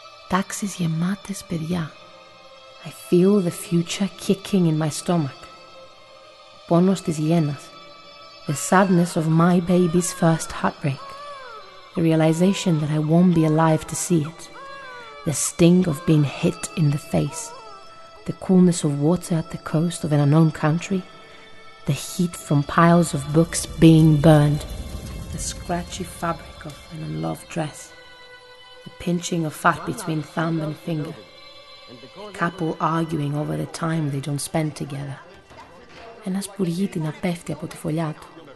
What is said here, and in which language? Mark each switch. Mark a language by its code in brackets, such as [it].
[el] Taxis γεμάτες παιδιά. [en] I feel the future kicking in my stomach. [el] Πόνος της γένας. [en] The sadness of my baby's first heartbreak. The realization that I won't be alive to see it. The sting of being hit in the face. The coolness of water at the coast of an unknown country. The heat from piles of books being burned. The scratchy fabric of an unloved dress. The pinching of fat between thumb and finger. A couple arguing over the time they don't spend together. [el] Ένας πουργίτη να πέφτει από τη φωλιά του.